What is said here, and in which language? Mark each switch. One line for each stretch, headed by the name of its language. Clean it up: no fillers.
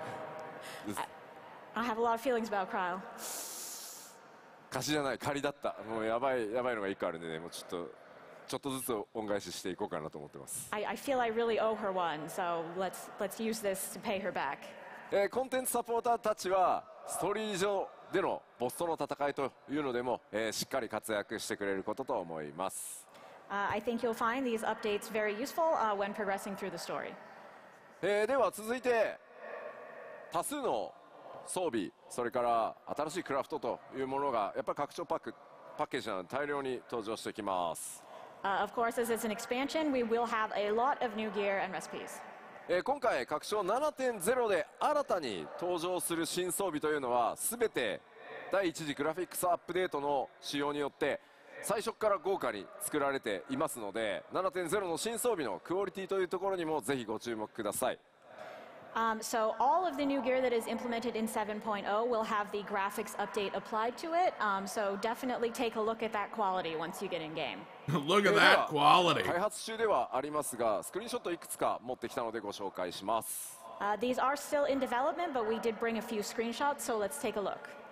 Japanese: ちょっとね、僕クルルさんにはちょっと貸しが大きな貸しが一個消せないやつがずっとあるんで。I
English: have a lot of feelings about Kryle.
Japanese: 貸しじゃない、借りだった。もうやばいのが一個あるんでね、もうちょっとずつ恩返ししていこうかなと思ってます。
English: I feel I really owe her one, so let's use this to pay her back.
Japanese: コンテンツサポーターたちは、ストーリー上でのボスとの戦いというのでも、しっかり活躍してくれることと思います。
English: I think you'll find these updates very useful when progressing through the story.
Japanese: では続いて、多数の 装備、それから新しいクラフトというものが、やっぱり拡張パック、パッケージなので大量に登場してきます。
English: Of course, as it's an expansion, we will have a lot of new gear and recipes.
Japanese: 今回拡張7.0で新たに登場する新装備というのは全て第一次グラフィックスアップデートの使用によって最初から豪華に作られていますので 7.0 の新装備のクオリティというところにもぜひご注目ください。
English: So all of the new gear that is implemented in 7.0 will have the graphics update applied to it. So definitely take a look at that quality once you get in game. Look at that quality.
Japanese: 開発中ではありますが、スクリーンショットいくつか持ってきたのでご紹介します。
English: These are still in development, but we did bring a few screenshots, so let's take a look.